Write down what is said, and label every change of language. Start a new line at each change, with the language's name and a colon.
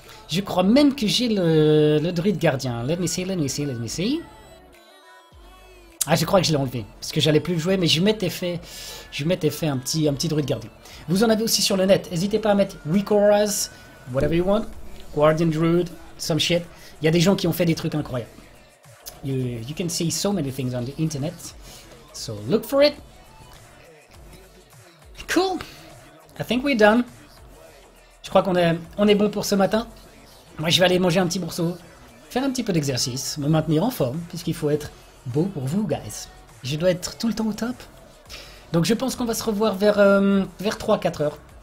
French: Je crois même que j'ai le druide gardien.
English: Let me see.
French: Ah, je crois que je l'ai enlevé, parce que j'allais plus jouer, mais je m'étais fait un petit druide gardien. Vous en avez aussi sur le net, n'hésitez pas à mettre Wikoras,
English: whatever you want, Guardian Druid, some shit.
French: Il y a des gens qui ont fait des trucs incroyables.
English: You can see so many things on the internet, so look for it. Cool, I think we're done.
French: Je crois qu'on est bon pour ce matin. Moi, je vais aller manger un petit morceau, faire un petit peu d'exercice, me maintenir en forme, puisqu'il faut être... beau pour vous, guys. Je dois être tout le temps au top. Donc je pense qu'on va se revoir vers 3-4 heures.